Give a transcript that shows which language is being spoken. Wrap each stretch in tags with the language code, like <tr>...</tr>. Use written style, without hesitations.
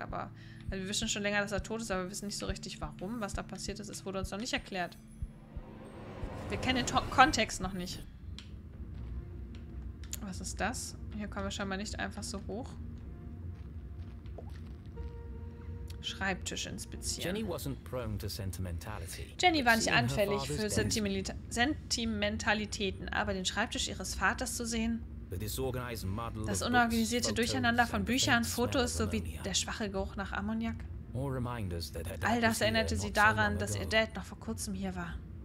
<de>Aber also wir wissen schon länger, dass er tot ist, aber wir wissen nicht so richtig, warum. Was da passiert ist, es wurde uns noch nicht erklärt. Wir kennen den Kontext noch nicht. Was ist das? Hier kommen wir scheinbar nicht einfach so hoch. Schreibtisch inspizieren.</de> <en>Jenny, wasn't prone to sentimentality,</en> <de>Jenny war nicht anfällig für Sentimentalitäten, aber den Schreibtisch ihres Vaters zu sehen, das unorganisierte Durcheinander von Büchern, Fotos sowie der schwache Geruch nach Ammoniak, all das erinnerte sie daran, dass ihr Dad noch vor kurzem hier war.</de>